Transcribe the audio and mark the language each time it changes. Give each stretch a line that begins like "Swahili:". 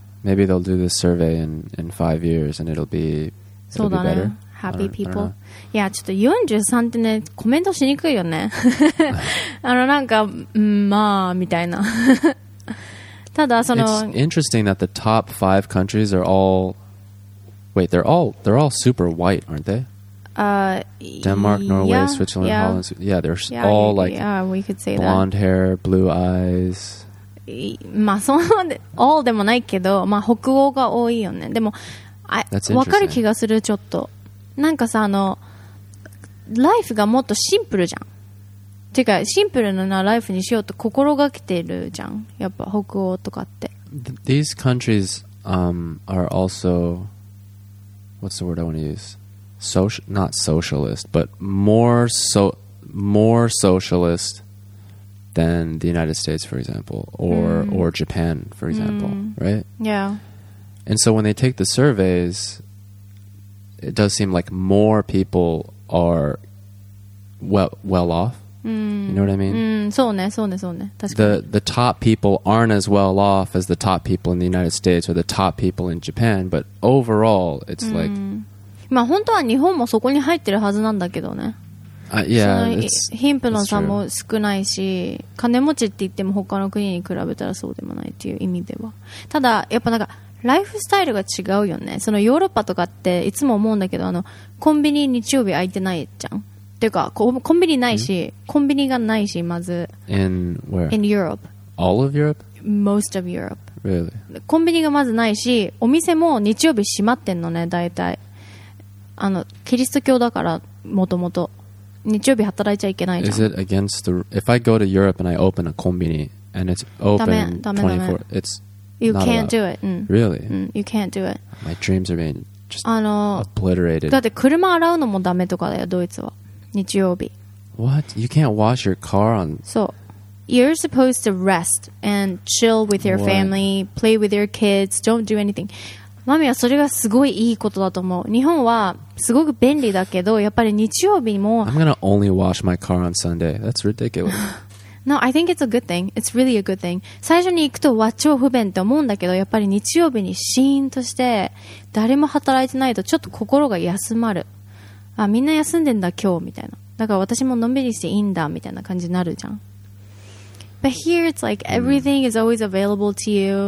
English: Maybe they'll do this survey in 5 years and it'll be better. Happy people.
Japanese: Yeah, ちょっと43ってね、コメントしにくいよね。あのなんか、まあ、みたいな。ただその。
English: It's interesting that the top five countries are all, wait, they're all super white, aren't they? Denmark, Norway, yeah, Switzerland, yeah. Holland. Yeah, they're yeah, all like yeah, we could say blonde that. Hair, blue eyes.
Japanese: まあそんなall でもないけど、まあ北欧が多いよね。でも、わかる気がするちょっと。なんかさ、あの、ライフがもっとシンプルじゃん。てか、シンプルなライフにしようと心がけてるじゃん。やっぱ北欧とかって。
English: These countries, are also, what's the word I want to use? Not socialist, but more socialist than the United States, for example, or Japan, for example, right? Yeah. And so when they take the surveys, it does seem like more people are well off. You know what I mean?
Japanese: そうね。
English: The top people aren't as well off as the top people in the United States or the top people in Japan, but overall, it's like...
Japanese: まあ本当は日本もそこに入ってるはずなんだけどね。
English: Yeah,
Japanese: 貧富の差も少ないし、金持ちって言っても他の国に比べたらそうでもないっていう意味では。ただ、やっぱなんか、ライフスタイルが違うよね。そのヨーロッパとかっていつも思うんだけど、コンビニ日曜日空いてないじゃん。っていうか、コンビニないし、コンビニがないし、まず。
English: In where? In Europe. All of Europe? Most of Europe. Really?
Japanese: コンビニがまずないし、お店も日曜日閉まってんのね、大体。キリスト教だから、もともと。日曜日働いちゃいけないじゃん。
English: Is it against the... If I go to Europe and I open a combini and it's open 24... It's you can't do it. Really? You can't do it. My dreams are being just obliterated.
Japanese: だって車洗うのもダメとかだよ、ドイツは。日曜日。
English: What? You can't wash your car on...
Japanese: そう。
English: You're supposed to rest and chill with your family, play with your kids, don't do anything.
Japanese: マミはそれがすごいいいことだと思う。日本はすごく便利だけど、やっぱり日曜日も。
English: I'm gonna only wash my car on Sunday. That's ridiculous. No, I think it's a good thing. It's really a good thing.
Japanese: 最初に行くとは超不便って思うんだけど、やっぱり日曜日にシーンとして誰も働いてないとちょっと心が休まる。あ、みんな休んでんだ今日みたいな。だから私ものんびりしていいんだみたいな感じになるじゃん。
English: But here it's like everything is always available to you.